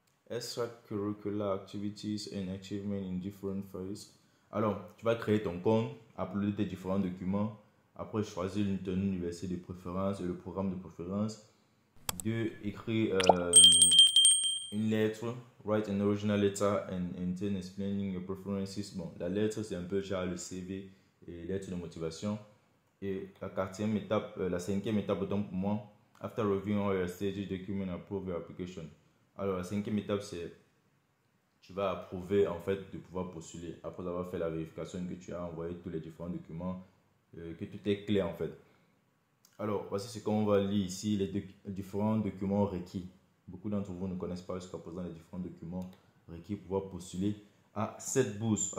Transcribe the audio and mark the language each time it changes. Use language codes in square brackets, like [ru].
[en] Extracurricular activities and achievements in different fields. [fr] Alors, tu vas créer ton compte, uploader tes différents documents. Après, choisir ton université de préférence et le programme de préférence. Deux, écrire une lettre. [en] Write an original letter and intend explaining your preferences. [fr] Bon, la lettre, c'est un peu genre le CV et lettre de motivation. Et la quatrième étape, la cinquième étape, autant pour moi. [en] After reviewing all your stages, document approve your application. [fr] Alors, la cinquième étape, c'est tu vas approuver en fait de pouvoir postuler après avoir fait la vérification que tu as envoyé tous les différents documents, que tout est clair en fait. Alors, voici ce qu'on va lire ici, les différents documents requis. Beaucoup d'entre vous ne connaissent pas jusqu'à présent les différents documents requis pour pouvoir postuler à cette bourse.